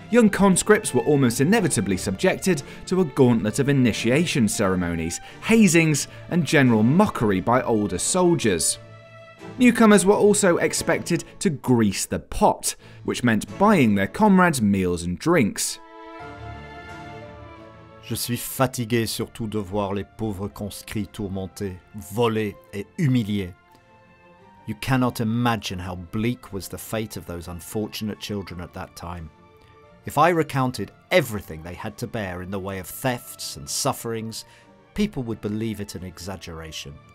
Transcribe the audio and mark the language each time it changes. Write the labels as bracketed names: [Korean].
[English] Young conscripts were almost inevitably subjected to a gauntlet of initiation ceremonies, hazings, and general mockery by older soldiers. Newcomers were also expected to grease the pot, which meant buying their comrades meals and drinks. [French] Je suis fatigué surtout de voir les pauvres conscrits tourmentés, volés et humiliés. [English] You cannot imagine how bleak was the fate of those unfortunate children at that time. If I recounted everything they had to bear in the way of thefts and sufferings, people would believe it an exaggeration.